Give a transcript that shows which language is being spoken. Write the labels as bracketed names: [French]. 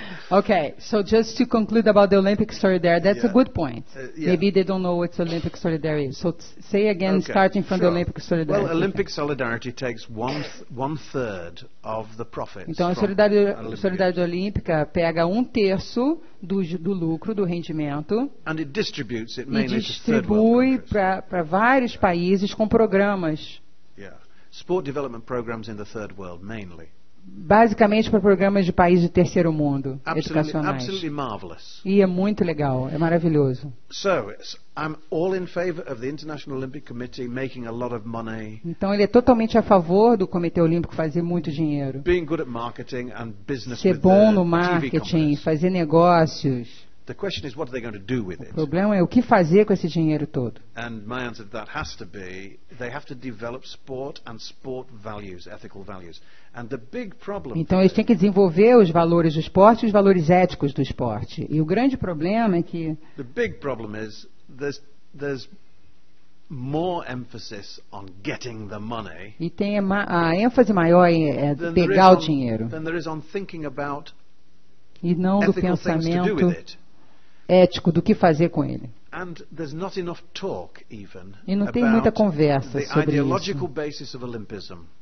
[English] Okay, so just to conclude about the Olympic story there, that's a good point. Yeah. Maybe they don't know what Olympic solidarity is. So say again, okay, starting from sure. the Olympic solidarity. Well, Olympic solidarity takes one third of the profits. [Portuguese] Então, [English] from [Portuguese] a solidariedade olímpica pega um terço do lucro, do rendimento. [English] And it distributes it mainly [Portuguese] e distribui para vários países com programas. [English] Yeah, sport development programs in the third world mainly. [Portuguese] Basicamente para programas de países de terceiro mundo, [English] absolutely, [Portuguese] educacionais. [English] Absolutely marvelous. [Portuguese] E é muito legal, é maravilhoso. [English] So, I'm all in favor of the International Olympic Committee making a lot of money. [Portuguese] Então ele é totalmente a favor do Comitê Olímpico fazer muito dinheiro. [English] Being good at marketing and business. [Portuguese] Ser bom no marketing, fazer negócios. [English] The question is, what are they going to do with it? [Portuguese] O problema é o que fazer com esse dinheiro todo. [English] And my answer to that has to be, they have to develop sport and sport values, ethical values. And the big problem. [Portuguese] Então eles têm que desenvolver os valores do esporte e os valores éticos do esporte. E o grande problema é que. [English] The big problem is there's more emphasis on getting the money. [Portuguese] E tem a ênfase maior em pegar o dinheiro. [English] Than there is on thinking about. [Portuguese] E não do pensamento ético do que fazer com ele. [English] And there's not enough talk even. [Portuguese] E não tem muita conversa sobre isso. [English] The ideological basis of Olympism.